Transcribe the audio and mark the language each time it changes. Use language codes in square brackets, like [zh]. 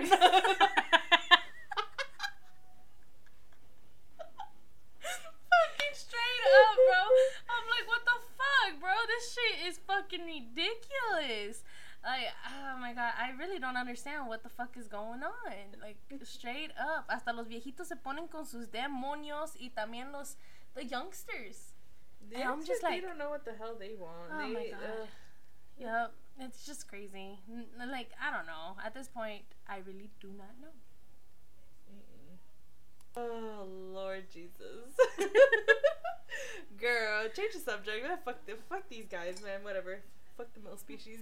[en] not? Fucking straight up, bro. I'm like, what the fuck, bro? This shit is fucking ridiculous. Like, oh my God. I really don't understand what the fuck is going on. Like, straight up. [es] Hasta los viejitos se ponen con sus demonios y también los [en] the youngsters. They don't know what the hell they want. Oh my God. Yep, it's just crazy. Like, I don't know. At this point, I really do not know. Mm-mm. Oh, Lord Jesus. Girl, change the subject. Man, fuck these guys, man. Whatever. Fuck the male species.